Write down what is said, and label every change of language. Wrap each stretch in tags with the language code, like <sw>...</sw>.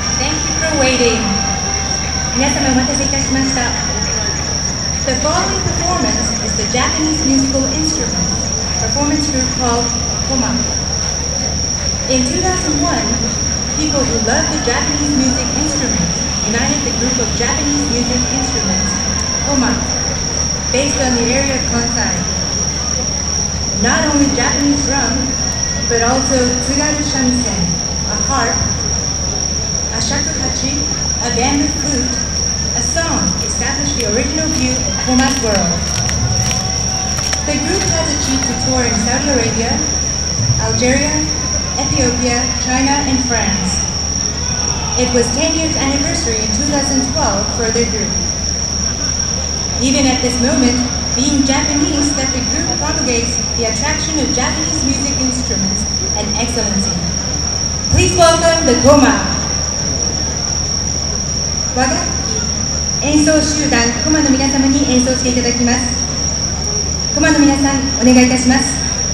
<ja>皆様お待たせいたしました。</ja> <en>The following performance is the Japanese musical instrument performance group called Koma. In 2001, people who love the Japanese music instruments united the group of Japanese music instruments, Koma, based on the area of Kansai. Not only Japanese drum, but also Tsugaru shamisen, a harp, a shakuhachi, a bamboo flute, a song established the original view of Koma's world. The group has achieved a tour in Saudi Arabia, Algeria, Ethiopia, China, and France. It was 10 years anniversary in 2012 for the group. Even at this moment, being Japanese that the group propagates the attraction of Japanese music instruments and excellency. Please welcome the Koma.</en> <ja>和楽器演奏集団コマの皆様に演奏していただきます。コマの皆さん、お願いいたします。</ja>